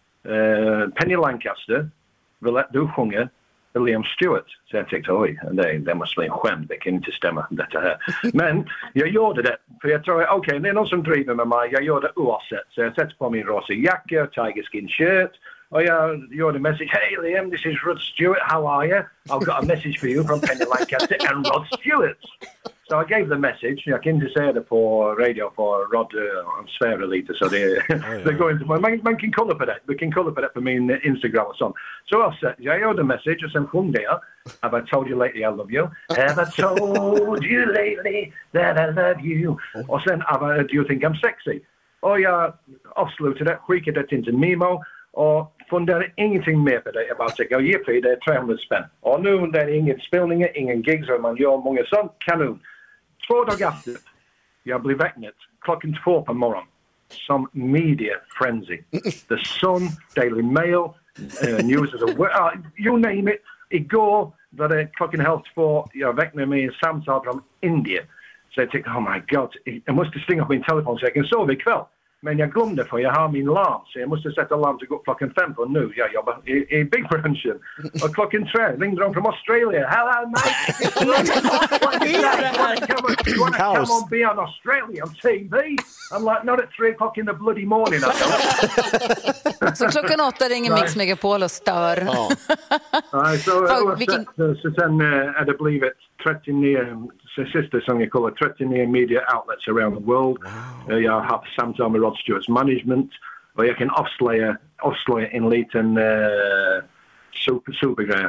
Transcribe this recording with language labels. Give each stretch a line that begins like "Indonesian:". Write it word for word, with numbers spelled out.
Swedish: Uh, Penny Lancaster vill att du sjunger Liam Stewart. Så jag tänkte, oj, det, det måste bli en skämt. Det kan inte stämma detta här. Men jag gjorde det. För jag tror, okej, okay, det är någon som driver med mig. Jag gjorde oavsett. Så jag sätter på min rosa jacka,
English: tiger skin shirt.
Swedish: Och jag gjorde en message.
English: Hey Liam, this is Rod Stewart. How are you? I've got a message for you from Penny Lancaster and Rod Stewart. So I gave the message.
Swedish: Jag kan inte säga det på radio för Rod uh, svär lite. Så det, oh, yeah.
English: They're going to,
Swedish: man, man kan kolla på det. Du kan kolla på det på min Instagram och sånt. Så so jag gjorde en message och sen sjöng jag.
English: Have I told you lately I love you? Have I told you lately that I love you?
Swedish: Och sen,
English: I, do you think I'm sexy?
Swedish: Och jag avslutade det, skickade det till Mimo. Och funderar ingenting mer på det. Jag bara tycker, jippie, det är trehundra spänn. Och nu det är inget spelningar, ingen gigs och man gör många sånt. Kanon. Två dagar efter, jag blev väcknad klockan två på morgon. Som
English: media frenzy. The Sun, Daily Mail, uh, News of the World, uh, you name it.
Swedish: Igår, där det är klockan halv två, jag väcknade mig i samtal från Indien. Så jag tänkte,
English: oh my god,
Swedish: jag måste stänga på min telefon så jag kan sova ikväll. Men jag glömde för jag har min larm. Så jag måste sätta larm till klockan fem på nu. Jag jobbar i, i
English: big production.
Swedish: Och klockan tre ringde de från Australien.
English: Hello mate! You want to come on be on Australian T V? I'm like, not at three o'clock in the bloody morning.
Swedish: Så klockan åtta ringer Mix Megapol och stör. Ja. Så sen är det blivit trettionio sister som jag kallar trettionio
English: media outlets around the world.
Swedish: Wow. Uh, jag har haft samtal med Rod Stewarts management och jag kan avslöja, avslöja en liten uh, super, supergrej.